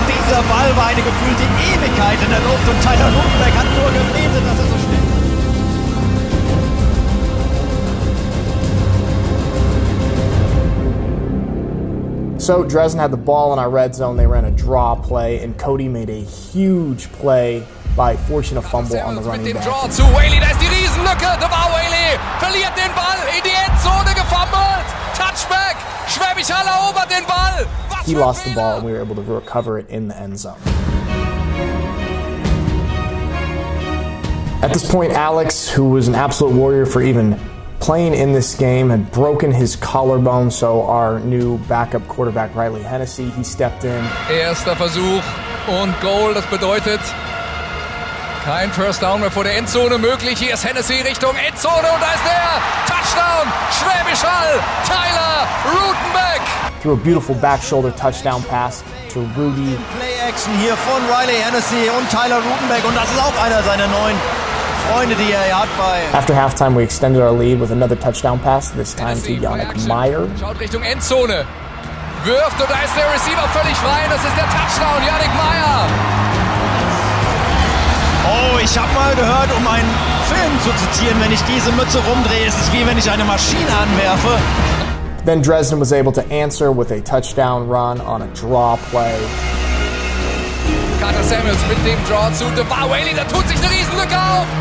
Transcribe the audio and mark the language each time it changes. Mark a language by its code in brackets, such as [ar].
[de] Der Ball war eine gefühlte Ewigkeit in der Luft und Tyler Rutenbeck hat nur gebetet, dass er so schnell. [en] So Dresden had the ball in our red zone. They ran a draw play, and Cody made a huge play by forcing a fumble on the running back. [de] Mit dem Draw zu Whaley, da ist die Riesenlücke. Da war Whaley, verliert den Ball in die Endzone, gefummelt. Touchback, Schwäbisch Hall erobert den Ball. [en] He lost the ball, and we were able to recover it in the end zone. At this point, Alex, who was an absolute warrior for even playing in this game, had broken his collarbone, so our new backup quarterback, Riley Hennessy, he stepped in. [de] Erster Versuch und Goal, das bedeutet kein First Down mehr vor der Endzone möglich. Hier ist Hennessy Richtung Endzone und da ist der Touchdown, Schwäbisch Hall, Tyler Rutenbeck. [en] Through a beautiful back shoulder touchdown pass to Rudy. Play action here from Riley Hennessy and Tyler Rutenbeck, and that is also one of his new friends that he had by. After halftime, we extended our lead with another touchdown pass, this time to Yannick Meyer. [de] Schaut Richtung Endzone, wirft, und da ist der Receiver völlig frei. Das ist der Touchdown, Yannick Meyer. Oh, ich habe mal gehört, um einen Film zu zitieren, wenn ich diese Mütze rumdrehe, ist es wie wenn ich eine Maschine anwerfe. [en] Then Dresden was able to answer with a touchdown run on a draw play. [de] Carter Samuels mit dem Draw zu DeVar Whaley, da tut sich eine Riesenlücke auf.